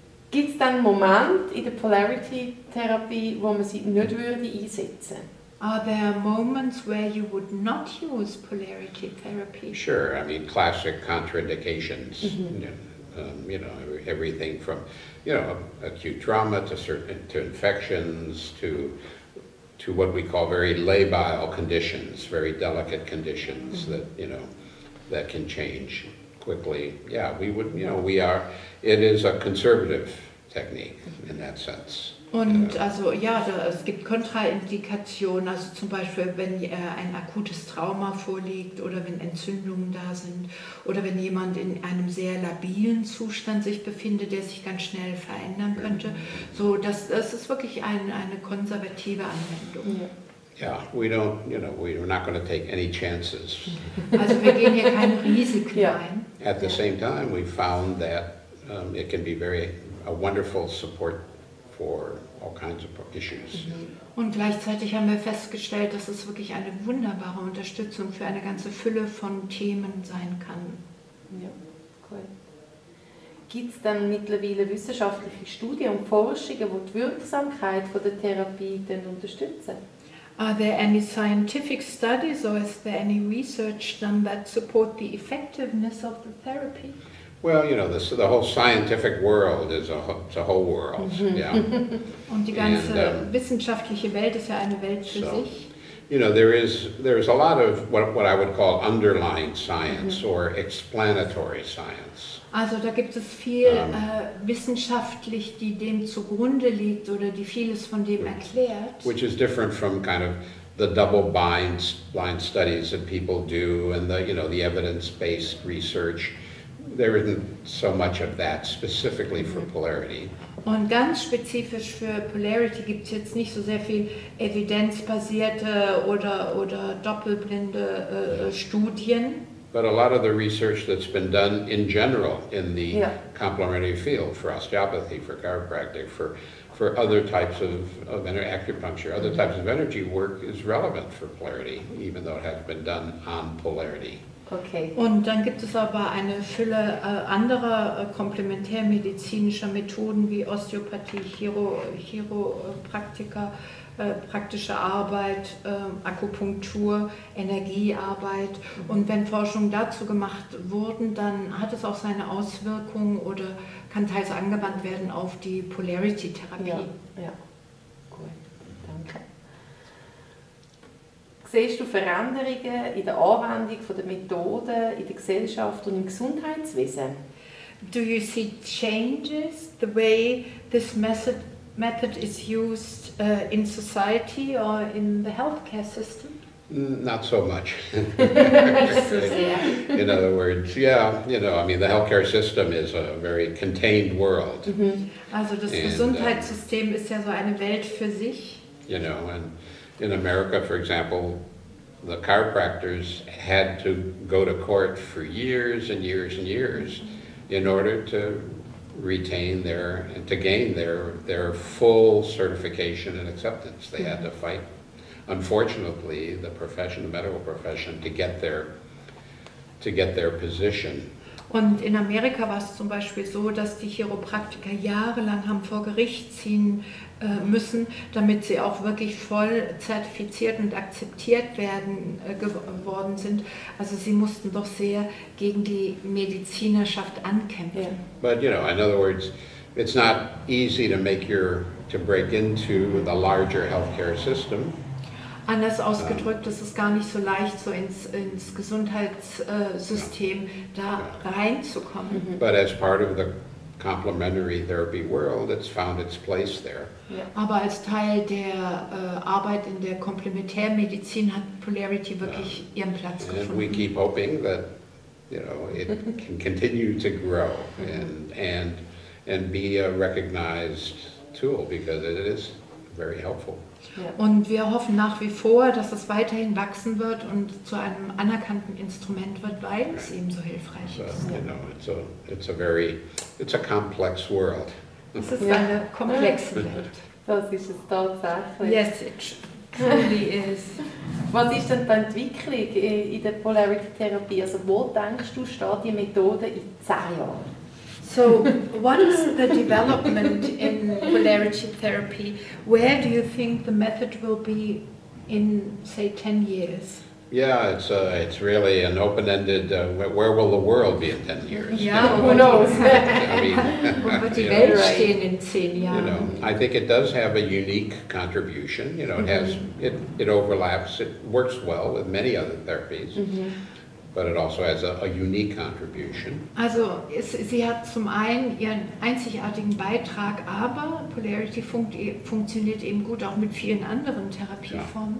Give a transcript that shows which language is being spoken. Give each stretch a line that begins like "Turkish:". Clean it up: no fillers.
German: Gibt es dann einen Moment in der Polarity-Therapie, wo man sie nicht würde einsetzen?
English: Are there moments where you would not use Polarity therapy? Sure, I mean classic contraindications. Mm-hmm. You know, everything from, you know, acute trauma to infections to what we call very labile conditions, very delicate conditions that, you know, that can change quickly. Yeah, we would, you know, we are, it is a conservative technique in that sense.
German: Und also ja, da, es gibt Kontraindikationen, also zum Beispiel, wenn ein akutes Trauma vorliegt oder wenn Entzündungen da sind oder wenn jemand in einem sehr labilen Zustand sich befindet, der sich ganz schnell verändern könnte. So, das ist wirklich eine konservative Anwendung.
English: Ja, we don't, you know, we're not going to take any chances.
German: Also wir gehen hier kein Risiko ein.
English: At the same time, we found that it can be very a wonderful support for all kinds of issues.
German: Und gleichzeitig haben wir festgestellt, dass es wirklich eine wunderbare Unterstützung für eine ganze Fülle von Themen sein kann. Ja, cool. Gibt es dann mittlerweile wissenschaftliche Studien und Forschungen, die die Wirksamkeit von der Therapie denn unterstützen?
English: Are there any scientific studies or is there any research done that support the effectiveness of the therapy? Well, you know, the whole scientific world is it's a whole world, yeah.
German: Und die ganze wissenschaftliche Welt ist ja eine Welt für sich.
English: You know, there is a lot of what I would call underlying science or explanatory science.
German: Also da gibt es viel wissenschaftlich, die dem zugrunde liegt oder die vieles von dem erklärt.
English: Which is different from kind of the double-blind studies that people do and the, you know, the evidence-based research. There isn't so much of that specifically for polarity.
German: Und ganz spezifisch für Polarity gibt es jetzt nicht so sehr viel evidenzbasierte oder doppelblinde Studien.
English: But a lot of the research that's been done in general in the complementary field for osteopathy, for chiropractic, for other types of acupuncture, other types of energy work is relevant for polarity, even though it has been done on polarity. Okay.
German: Und dann gibt es aber eine Fülle anderer komplementärmedizinischer Methoden wie Osteopathie, Chiropraktika, praktische Arbeit, Akupunktur, Energiearbeit. Und wenn Forschungen dazu gemacht wurden, dann hat es auch seine Auswirkungen oder kann teils angewandt werden auf die Polarity-Therapie. Ja, ja. Siehst du Veränderungen in der Anwendung von der Methode in der Gesellschaft und im Gesundheitswesen?
English: Do you see changes the way this method is used in society or in the healthcare system? Not so much.
German: So sehr.
English: In other words, yeah, you know, I mean, the healthcare system is a very contained world. Mm-hmm.
German: Also das Gesundheitssystem ist ja so eine Welt für sich.
English: You know, and in America, for example, the chiropractors had to go to court for years and years and years in order to retain their and to gain their full certification and acceptance. They had to fight, unfortunately, the profession, the medical profession, to get their position.
German: Und in Amerika war es zum Beispiel so, dass die Chiropraktiker jahrelang haben vor Gericht ziehen müssen, damit sie auch wirklich voll zertifiziert und akzeptiert werden geworden sind. Also sie mussten doch sehr gegen die Medizinerschaft ankämpfen.
English: But you know, in other words, it's not easy to make your to break into the larger healthcare system.
German: Anders ausgedrückt, es ist gar nicht so leicht, so ins Gesundheitssystem reinzukommen.
English: But as part of the complementary therapy world, it's found its place there.
German: Aber als Teil der Arbeit in der Komplementärmedizin hat Polarity wirklich ihren Platz gefunden.
English: And we keep hoping that, you know, it can continue to grow and be a recognized tool, because it is very helpful.
German: Und wir hoffen nach wie vor, dass es weiterhin wachsen wird und zu einem anerkannten Instrument wird, weil es eben so hilfreich ist.
English: You know, it's a complex world.
German: Es ist eine komplexe Welt. Das ist es tatsächlich.
English: Yes, it truly is.
German: Was ist denn die Entwicklung in der Polarity-Therapie? Also wo denkst du, steht die Methode in 10 Jahren?
English: So, what is the development in polarity therapy? Where do you think the method will be in, say, 10 years? Yeah, it's really an open-ended, where will the world be in 10 years? Yeah, who knows? You know, I think it does have a unique contribution. You know, it has, it overlaps, it works well with many other therapies. Mm-hmm. but it also has a unique contribution.
German: Also sie hat zum einen ihren einzigartigen Beitrag, aber Polarity funktioniert eben gut auch mit vielen anderen Therapieformen.